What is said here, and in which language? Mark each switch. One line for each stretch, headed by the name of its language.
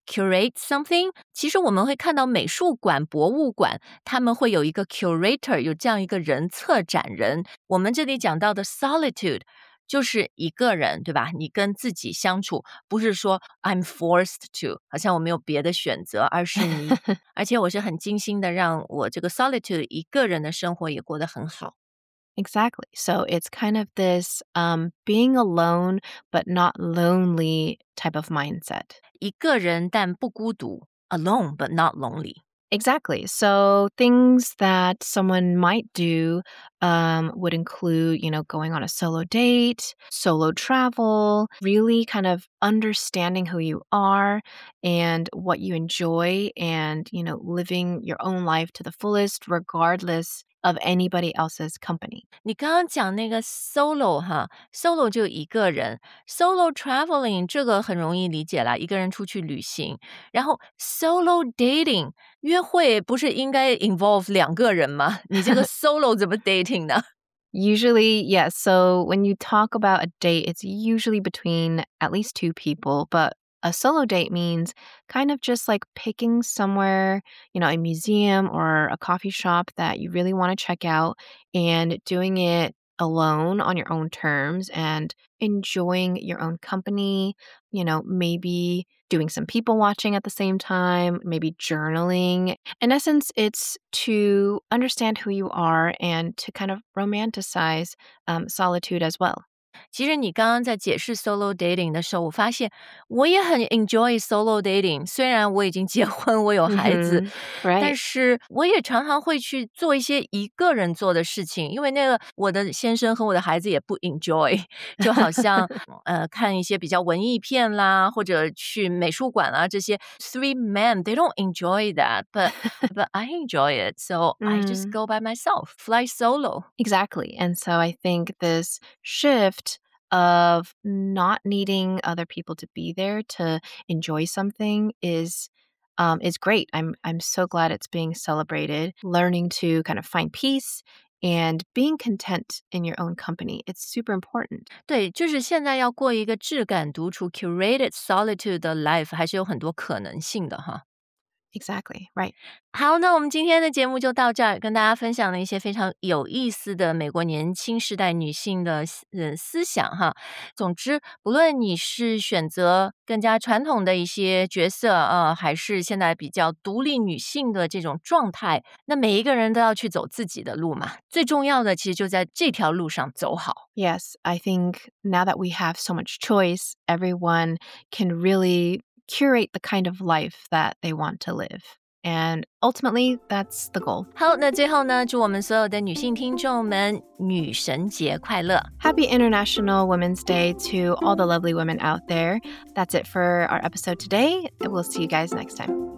English: Curate something?
Chinese: 其实我们会看到美术馆、博物馆，他们会有一个 curator, 有这样一个人，策展人。我们这里讲到的 solitude,就是一个人，对吧？你跟自己相处，不是说
English: I'm forced to,
Chinese: 好像我没有别的选择，而是你，而且我是很精心的让我这个 solitude 一个人的生活也过得很好。
English: Exactly. So it's kind of this being alone but not lonely type of mindset.
Chinese: 一个人但不孤独 ，
English: alone but not lonely. Exactly. So things that someone might do would include, you know, going on a solo date, solo travel, really kind of understanding who you are and what you enjoy and, you know, living your own life to the fullest, regardless of anybody else's company.
Chinese: 你刚刚讲那个 solo, 哈 solo 就一个人 solo traveling, 这个很容易理解啦，一个人出去旅行，然后 solo dating,约会不是应该 involve 两个人吗？你这个 solo 怎么 dating 呢？
English: Usually, yes. So when you talk about a date, it's usually between at least two people. But a solo date means kind of just like picking somewhere, you know, a museum or a coffee shop that you really want to check out and doing it alone on your own terms and enjoying your own company, you know, maybe doing some people watching at the same time, maybe journaling. In essence, it's to understand who you are and to kind of romanticize solitude as well.
Chinese: 其实你刚刚在解释 solo dating 的时候，我发现我也很 enjoy solo dating。虽然我已经结婚，我有孩子，
English: mm-hmm. right.
Chinese: 但是我也常常会去做一些一个人做的事情，因为那个我的先生和我的孩子也不 enjoy。就好像看一些比较文艺片啦，或者去美术馆啦这些
English: three men they don't enjoy that, but I enjoy it. So、mm-hmm. I just go by myself, fly solo. Exactly, and so I think this shift of not needing other people to be there to enjoy something is great. I'm so glad it's being celebrated. Learning to kind of find peace and being content in your own company. It's super important.
Chinese: 对，就是现在要过一个质感独处 curated solitude 的 life 还是有很多可能性的哈。
English: Exactly, right.
Chinese: 好，那我们今天的节目就到这儿，跟大家分享了一些非常有意思的美国年轻时代女性的思想哈。总之，不论你是选择更加传统的一些角色还是现在比较独立女性的这种状态，那每一个人都要去走自己的路嘛。最重要的其实就在这条路上走好。
English: Yes, I think now that we have so much choice, everyone can really... curate the kind of life that they want to live. And ultimately, that's the goal.
Chinese: 好，那最后呢，祝我们所有的女性听众们女神节快乐。
English: Happy International Women's Day to all the lovely women out there. That's it for our episode today. We'll see you guys next time.